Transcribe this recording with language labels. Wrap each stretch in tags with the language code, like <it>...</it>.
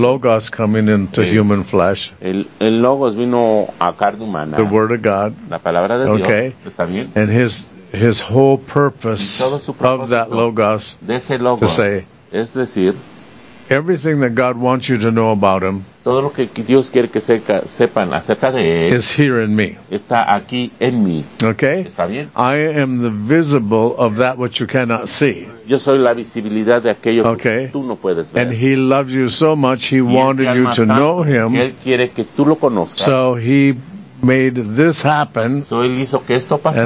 <en>Logos coming into okay. human flesh.</en> <es>El Logos vino a carne humana,</es> <en>the Word of God.</en> <es>La palabra de</es> <en>okay.</en> <es>Dios, está bien.</es> <en>And His whole purpose of that Logos,</en> <es>de ese logo,</es> <en>to say,</en> <es>es decir,</es> <en>Everything that God wants you to know about him,</en> <es>todo lo que Dios quiere que sepan acerca de él,</es> <en>is here in me.</en> <es>Está aquí en mí.</es> <en>Okay?</en> <es>Está bien.</es> <en>I am the visible of that which you cannot see.</en> <es>Yo soy la visibilidad de aquello okay? que tú no puedes ver.</es> <en>And he loves you so much, he wanted you to know him.</en> <es>Él quiere que tú lo conozcas.</es> <en>So he made this happen,</en> <es>so él hizo que esto pasara,</es>